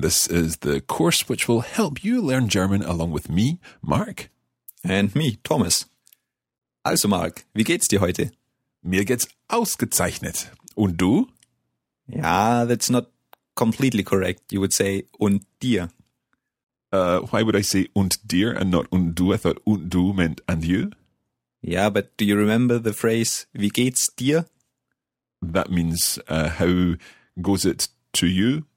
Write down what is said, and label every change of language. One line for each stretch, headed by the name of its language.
English: This is the course which will help you learn German along with me, Mark. And me, Thomas.
German: Also Mark, wie geht's dir heute? Mir geht's ausgezeichnet. Und du? Ja,
English: that's not completely correct. You would say,
German: und dir.
English: Why would I say
German: und dir
English: and not
German: und du?
English: I thought und du meant and you. Yeah, but do you remember the phrase,
German: wie geht's dir?
English: That means how goes it to you?